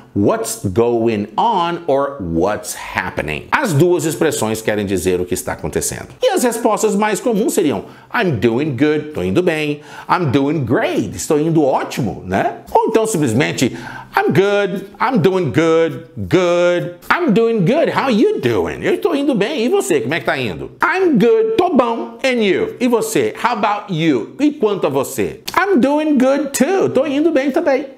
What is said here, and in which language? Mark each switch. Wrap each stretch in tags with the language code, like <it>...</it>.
<en>What's going on or what's happening?</en> <pt>As duas expressões querem dizer o que está acontecendo. E as respostas mais comuns seriam</pt> <en>I'm doing good,</en> <pt>estou indo bem.</pt> <en>I'm doing great,</en> <pt>estou indo ótimo, né? Ou então simplesmente</pt> <en>I'm good, I'm doing good, good. I'm doing good, how are you doing?</en> <pt>Eu estou indo bem, e você, como é que está indo?</pt> <en>I'm good,</en> <pt>estou bom,</pt> <en>and you?</en> <pt>E você,</pt> <en>how about you?</en> <pt>E quanto a você?</pt> <en>I'm doing good too,</en> <pt>estou indo bem também.</pt>